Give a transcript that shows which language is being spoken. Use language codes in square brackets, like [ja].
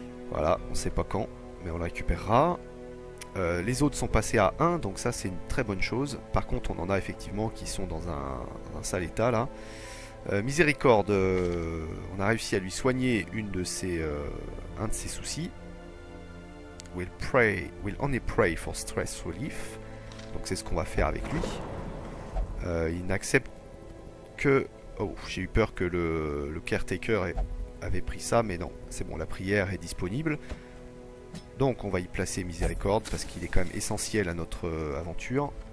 [fr] Voilà, on ne sait pas quand, mais on le récupérera. Les autres sont passés à 1, donc ça c'est une très bonne chose. Par contre, on en a effectivement qui sont dans un sale état là. Miséricorde, on a réussi à lui soigner un de ses soucis. [en] We'll only pray for stress relief. [fr] Donc c'est ce qu'on va faire avec lui. Il n'accepte que. Oh, j'ai eu peur que le caretaker avait pris ça, mais non, c'est bon, la prière est disponible. Donc on va y placer Miséricorde parce qu'il est quand même essentiel à notre aventure.